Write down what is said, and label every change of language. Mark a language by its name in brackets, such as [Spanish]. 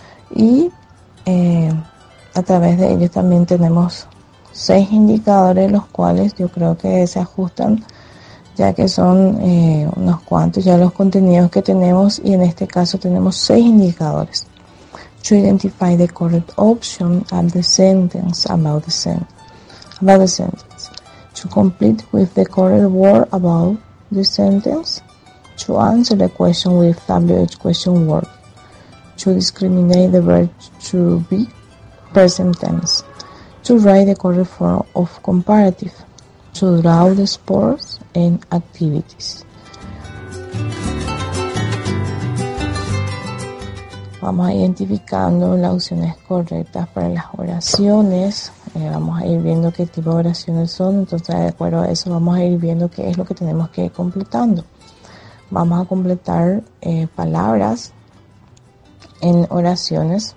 [Spanish] y a través de ellos también tenemos 6 indicadores, los cuales yo creo que se ajustan, ya que son unos cuantos ya los contenidos que tenemos, y en este caso tenemos 6 indicadores. [English] To identify the correct option at the sentence about the sentence. About the sentence. To complete with the correct word about the sentence. To answer the question with WH question word. To discriminate the verb to be present tense. To write the correct form of comparative, to draw the sports and activities. [Spanish] Vamos a ir identificando las opciones correctas para las oraciones. Vamos a ir viendo qué tipo de oraciones son. Entonces, de acuerdo a eso, vamos a ir viendo qué es lo que tenemos que ir completando. Vamos a completar palabras en oraciones.